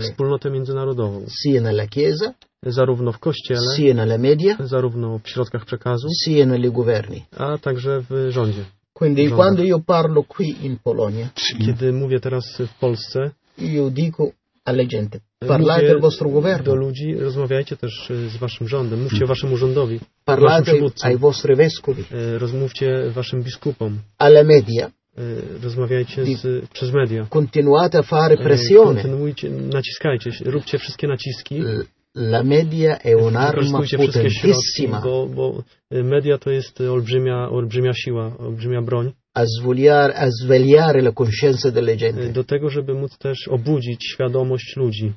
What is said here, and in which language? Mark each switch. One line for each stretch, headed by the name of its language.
Polish: wspólnotę międzynarodową,
Italian: sia nella chiesa,
Polish: zarówno w kościele,
Italian: sia nella media,
Polish: zarówno w środkach przekazu,
Italian: sia nelle governi,
Polish: a także w rządzie.
Italian: Quindi quando io parlo qui in Polonia,
Polish: kiedy mówię teraz w Polsce,
Italian: io dico alla gente, parlate del vostro governo,
Polish: do ludzi, rozmawiajcie też z waszym rządem, mówcie waszemu rządowi,
Italian: parlate ai vostri vescovi,
Polish: rozmówcie waszym biskupom,
Italian: alla media,
Polish: rozmawiajcie przez media,
Italian: continuate a fare pressione,
Polish: kontynuujcie, naciskajcie, róbcie wszystkie naciski.
Italian: La media è un'arma potentissima.
Polish: Bo media to jest olbrzymia siła, olbrzymia broń.
Italian: A svegliare la coscienza delle gente.
Polish: Do tego, żeby móc też obudzić świadomość ludzi.